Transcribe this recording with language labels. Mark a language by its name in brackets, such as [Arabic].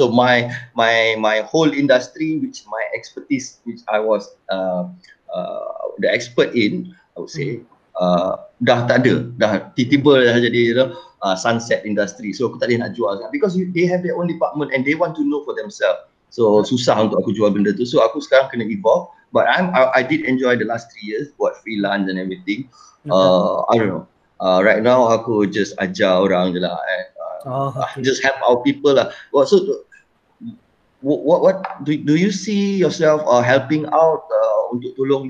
[English] So my whole industry, which my expertise, which I was the expert in, I would say, [Malay] dah tak ada. Dah tiba-tiba dah jadi [English] sunset industry. [Malay] So aku tak boleh nak jual. [English] Because they have their own department and they want to know for themselves. [Malay] So susah untuk aku jual benda tu. So aku sekarang kena evolve. [English] But I did enjoy the last 3 years buat freelance and everything. I don't know. Right now aku just [Malay] ajar orang je lah. [English] Just help our people lah. Well, so what do you see yourself helping out [Malay] untuk tolong?